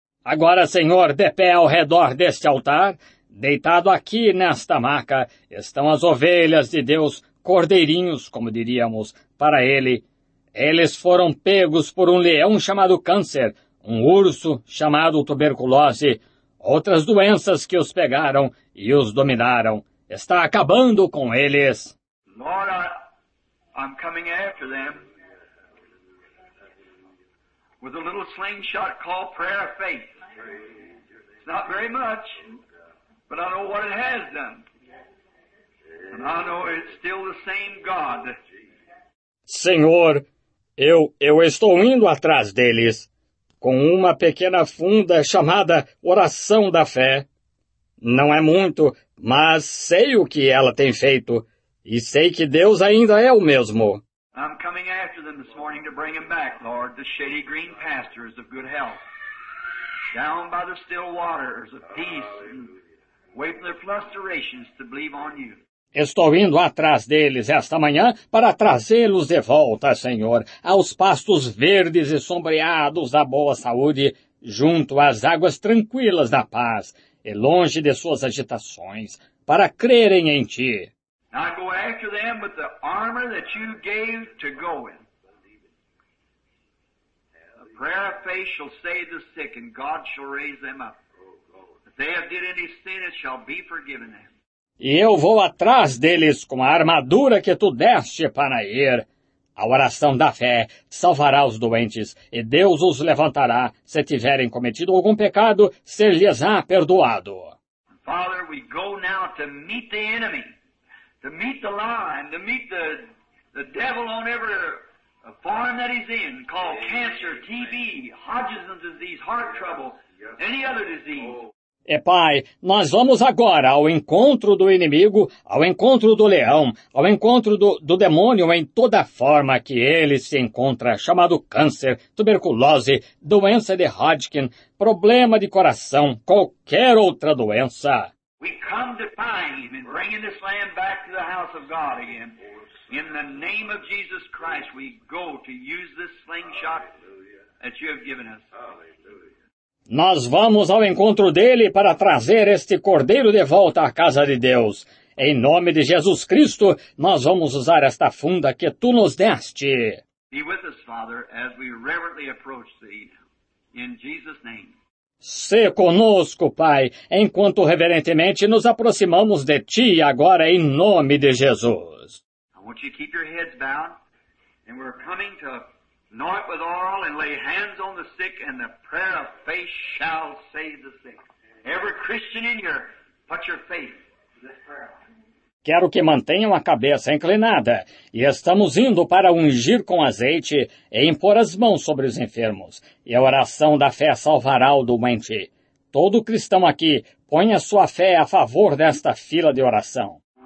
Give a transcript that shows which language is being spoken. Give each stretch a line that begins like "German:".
Portuguese: Agora, Senhor, de pé ao redor deste altar, deitado aqui nesta maca, estão as ovelhas de Deus, cordeirinhos, como diríamos, para ele. Eles foram pegos por um leão chamado câncer, um urso chamado tuberculose, outras doenças que os pegaram e os dominaram. Está acabando com eles.
English: Lord, I'm coming after them with a little slingshot called prayer of faith. It's not very much, but I know what it has done. And I know it's still the same God.
Portuguese: Senhor, eu estou indo atrás deles com uma pequena funda chamada oração da fé. Não é muito, mas sei o que ela tem feito. E sei que Deus ainda é o mesmo.
English: I'm coming after them this morning to bring them back, Lord, the shady green pastures of good health. Down by the still waters of peace, waiting their frustrations to believe on you.
Portuguese: Estou indo atrás deles esta manhã para trazê-los de volta, Senhor, aos pastos verdes e sombreados da boa saúde, junto às águas tranquilas da paz, e longe de suas agitações, para crerem em ti.
English: Now go after them with the armor that you gave to go in. The prayer of faith shall save the sick, and God shall raise them up. If they have did any sin, it shall be forgiven them.
Portuguese: E eu vou atrás deles com a armadura que tu deste para ir. A oração da fé salvará os doentes, e Deus os levantará. Se tiverem cometido algum pecado, ser-lhes-á perdoado.
English: Father, we go now to meet the enemy. To meet the lion, to meet the devil on every farm that he's in, called cancer, TB, Hodgson's disease, heart trouble, any other disease.
Portuguese: E Pai, nós vamos agora ao encontro do inimigo, ao encontro do leão, ao encontro do demônio em toda forma que ele se encontra, chamado câncer, tuberculose, doença de Hodgkin, problema de coração, qualquer outra doença.
English: We come to find him and bring this lamb back to the house of God again. In the name of Jesus Christ, we go to use this slingshot that you have given us.
Portuguese: Nós vamos ao encontro dele para trazer este cordeiro de volta à casa de Deus. Em nome de Jesus Cristo, nós vamos usar esta funda que tu nos deste.
English: Be with us, Father, as we reverently approach thee. In Jesus' name.
Portuguese: Sê conosco, Pai, enquanto reverentemente nos aproximamos de Ti agora em nome de Jesus.
English: I want you to keep your heads bowed, and we're coming to anoint with oil and lay hands on the sick, and the prayer of faith shall save the sick. Every Christian in here, put your faith to this prayer.
Portuguese: Quero que mantenham a cabeça inclinada, e estamos indo para ungir com azeite e impor as mãos sobre os enfermos, e a oração da fé salvará o doente. Todo cristão aqui, ponha sua fé a favor desta fila de oração.